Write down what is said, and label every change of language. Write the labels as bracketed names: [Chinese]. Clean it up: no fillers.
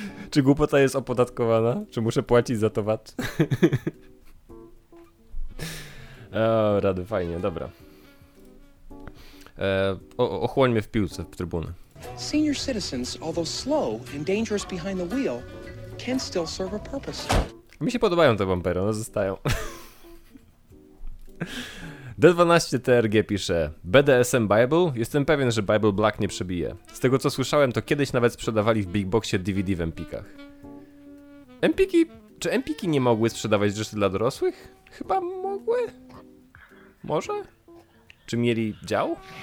[Polish] Czy głupota jest opodatkowana? Czy muszę płacić za to VAT? O, rady, fajnie, dobra. Ochłońmy w piłce, w trybuny. [English] Senior citizens, although slow and dangerous behind the wheel, can still serve a purpose. [Polish] Mi się podobają te bumpery, one zostają. D12 TRG pisze, BDSM Bible? Jestem pewien, że Bible Black nie przebije. Z tego co słyszałem, to kiedyś nawet sprzedawali w Big Boxie DVD w Empikach. Empiki? Czy Empiki nie mogły sprzedawać rzeczy dla dorosłych? Chyba mogły? Może? Czy mieli dział?